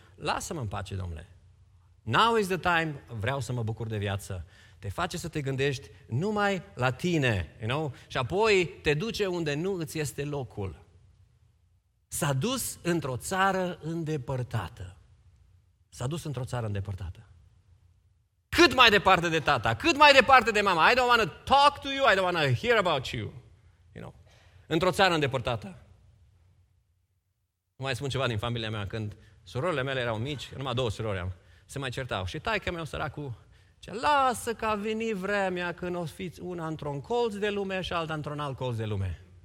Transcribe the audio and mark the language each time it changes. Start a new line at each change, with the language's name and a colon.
Romanian: Lasă-mă în pace, domnule.
English: Now is the time,
Romanian: vreau să mă bucur de viață. Te face să te gândești numai la tine,
English: you know?
Romanian: Și apoi te duce unde nu îți este locul. S-a dus într-o țară îndepărtată. S-a dus într-o țară îndepărtată. Cât mai departe de tata, cât mai departe de mama.
English: I don't want to talk to you, I don't want to hear about you. You know?
Romanian: Într-o țară îndepărtată. Nu mai spun ceva din familia mea, când surorile mele erau mici, numai două surori am, se mai certau. Și taică meu săracu, zice, lasă că a venit vremea când o fiți una într-un colț de lume și alta într-un alt colț de lume.